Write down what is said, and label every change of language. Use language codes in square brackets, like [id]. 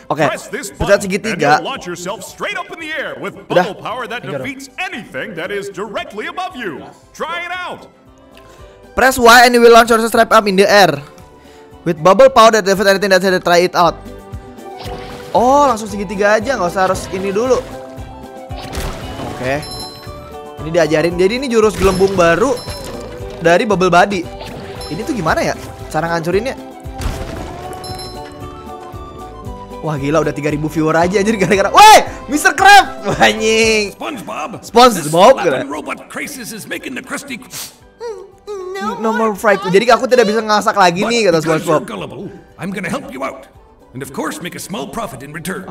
[id] Oke. Pencet segitiga. [en] Launch yourself straight up in the air with bubble power that defeats anything that is directly above you. Try it out. Press Y and you will launch yourself straight up in the air with bubble power that defeats anything that is directly above you. Try it out. [id] Oh, langsung segitiga aja, nggak usah harus ini dulu. Oke. Okay. Ini diajarin. Jadi ini jurus gelembung baru dari Bubble Buddy. Ini tuh gimana ya cara ngancurinnya? Wah gila, udah 3000 viewer aja anjir gara-gara. Woi, Mr. Krab. Anjing. SpongeBob. SpongeBob. [en] Robot crisis is making the crusty. No more fried. [id] Jadi aku tidak bisa ngasak lagi nih, kata SpongeBob. [en] I'm gonna help you out. And of course make a small profit in return.